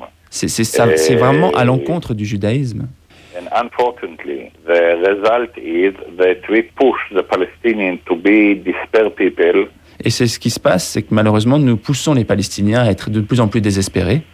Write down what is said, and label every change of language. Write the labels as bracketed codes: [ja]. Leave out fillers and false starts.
[fr] C'est vraiment à l'encontre du judaïsme. [en] And unfortunately, the result is that we push the Palestinians to be despair people. [fr] Et c'est ce qui se passe, c'est que malheureusement, nous poussons les Palestiniens à être de plus en plus désespérés.